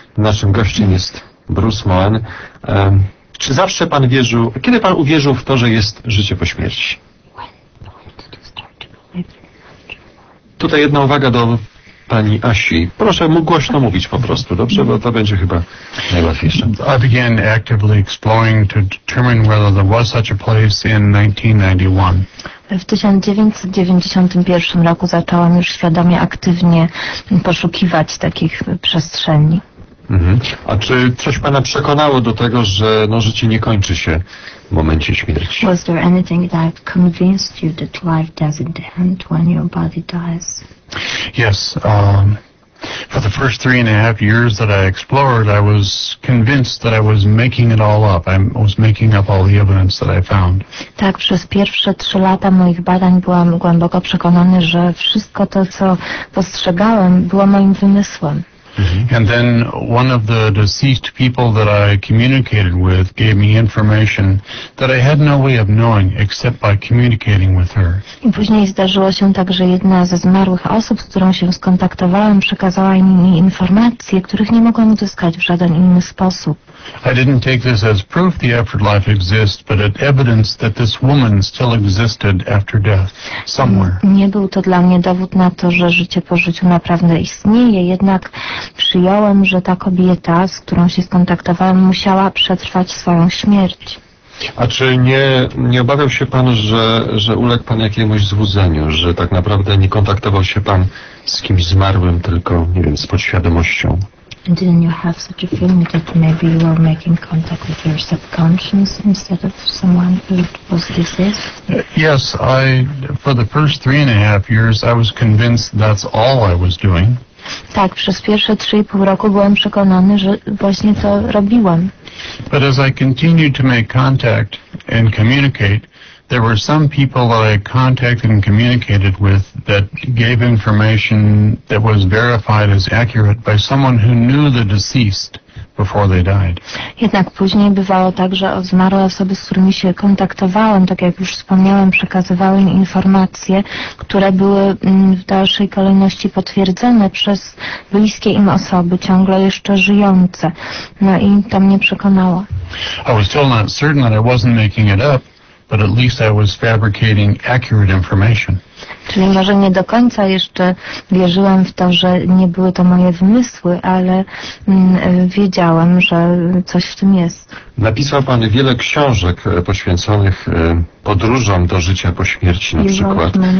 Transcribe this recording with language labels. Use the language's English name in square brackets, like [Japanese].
[Polish] Naszym gościem jest Bruce Moen. Czy zawsze Pan wierzył, kiedy Pan uwierzył w to, że jest życie po śmierci? Tutaj jedna uwaga do pani Asi. Proszę mu głośno mówić po prostu, dobrze? Bo to będzie chyba najłatwiejsze. [English] I began actively exploring to determine whether there was such a place in 1991. [Polish] W 1991 roku zaczęłam już świadomie, aktywnie poszukiwać takich przestrzeni. Mhm. A czy coś pana przekonało do tego, że życie nie kończy się w momencie śmierci? [English] Was there anything that convinced you that life doesn't end when your body dies? Yes. For the first 3.5 years that I explored, I was convinced that I was making it all up. I was making up all the evidence that I found. [Polish] Tak, przez pierwsze 3 lata moich badań byłam głęboko przekonany, że wszystko to, co postrzegałem, było moim wymysłem. Mm-hmm. [English] And then one of the deceased people that I communicated with gave me information that I had no way of knowing except by communicating with her. [Polish] I później zdarzyło się tak, że jedna ze zmarłych osób, z którą się skontaktowałem, przekazała mi informacje, których nie mogłam uzyskać w żaden inny sposób. [English] I didn't take this as proof the afterlife exists, but as evidence that this woman still existed after death somewhere. [Polish] Nie był to dla mnie dowód na to, że życie po życiu naprawdę istnieje, jednak przyjąłem, że ta kobieta, z którą się skontaktowałem, musiała przetrwać swoją śmierć. A czy nie obawiał się pan, że uległ pan jakiemuś złudzeniu, że tak naprawdę nie kontaktował się pan z kimś zmarłym, tylko, nie wiem, z podświadomością? [English] Didn't you have such a feeling that maybe you were making contact with your subconscious instead of someone who was deceased? Yes, I, for the first 3.5 years, I was convinced that's all I was doing. [Polish] Tak, przez pierwsze 3.5 roku byłem przekonany, że właśnie to robiłem. [English] But as I continued to make contact and communicate, there were some people that I contacted and communicated with that gave information that was verified as accurate by someone who knew the deceased before they died. [Polish] Jednak później bywało tak, że zmarłe osoby, z którymi się kontaktowałem, tak jak już wspomniałem, przekazywały mi informacje, które były w dalszej kolejności potwierdzone przez bliskie im osoby, ciągle jeszcze żyjące. No i to mnie przekonało. [English] I was still not certain that I wasn't making it up, but at least I was fabricating accurate information. [Polish] Czyli może nie do końca jeszcze wierzyłem w to, że nie były to moje wymysły, ale wiedziałem, że coś w tym jest. Napisał pan wiele książek poświęconych podróżom do życia po śmierci, na przykład.